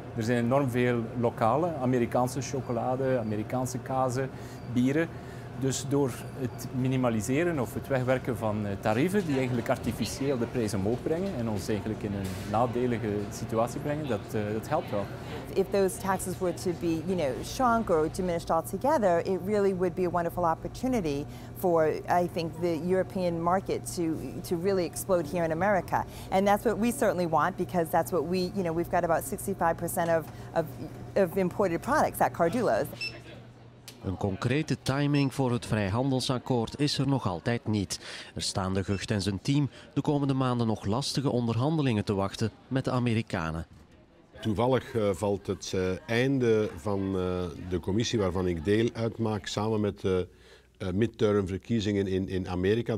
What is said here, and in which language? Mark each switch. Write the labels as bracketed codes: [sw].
[nl] Er zijn enorm veel lokale Amerikaanse chocolade, Amerikaanse kazen, bieren. Dus door het minimaliseren of het wegwerken van tarieven die eigenlijk artificieel de prijzen omhoog brengen en ons eigenlijk in een nadelige situatie brengen, dat helpt wel. [en] If those taxes were to be, you know, shrunk or diminished altogether, it really would be a wonderful opportunity for, I think, the European market to really explode here in America. And that's what we certainly want, because that's what we, you know, we've got about 65% of imported products at Cardulo's. [nl] Een concrete timing voor het vrijhandelsakkoord is er nog altijd niet. Er staan de Gucht en zijn team de komende maanden nog lastige onderhandelingen te wachten met de Amerikanen. Toevallig valt het einde van de commissie waarvan ik deel uitmaak samen met de midtermverkiezingen in Amerika.